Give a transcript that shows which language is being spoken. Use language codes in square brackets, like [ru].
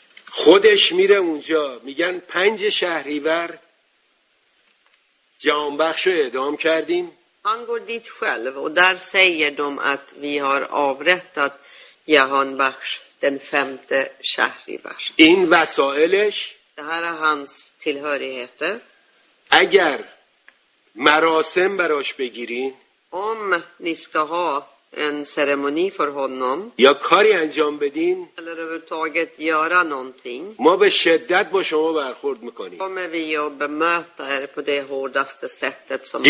[fa] خودش میره اونجا، میگن 5 شهریور جهانبخشو اعدام کردیم. [sv] Han går dit själv och där säger de att vi har avrättat Jahanbakhsh den 5 شهریور. [fa] این وسائلش، [sv] det här är hans tillhörigheter. [fa] اگر مراسم براش بگیرین، [sv] om ni ska ha en ceremoni för honom. [fa] یا کاری انجام بدین، [sv] eller överhuvudtaget göra någonting. [fa] ما به شدت با شما برخورد میکنیم. [sv] kommer vi att bemöta er på det hårdaste sättet som.